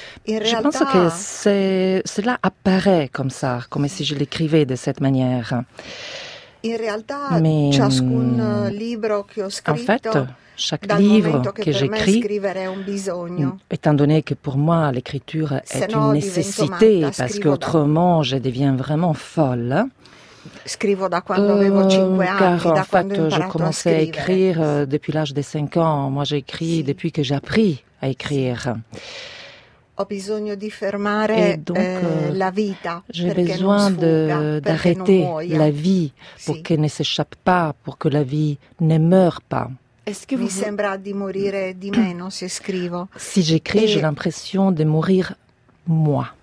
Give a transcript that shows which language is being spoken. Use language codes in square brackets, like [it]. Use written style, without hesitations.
[fr] Je pense que cela apparaît comme ça, comme si je l'écrivais de cette manière. [it] In realtà, ciascun libro che ho scritto, [fr] en fait, chaque livre que j'écris, étant donné que pour moi l'écriture est une nécessité, parce qu'autrement je deviens vraiment folle. [it] Scrivo da quando avevo 5 anni, [fr] car [it] da [fr] en fait je commençais à écrire depuis l'âge des 5 ans, moi j'écris depuis que j'ai appris à écrire. [it] Ho bisogno di fermare la vita. [fr] J'ai besoin d'arrêter la vie pour qu'elle ne s'échappe pas, pour que la vie ne meure pas. Est-ce que vous... [it] Mi sembra di morire di meno se scrivo. [fr] Si j'écris, j'ai l'impression de mourir moi.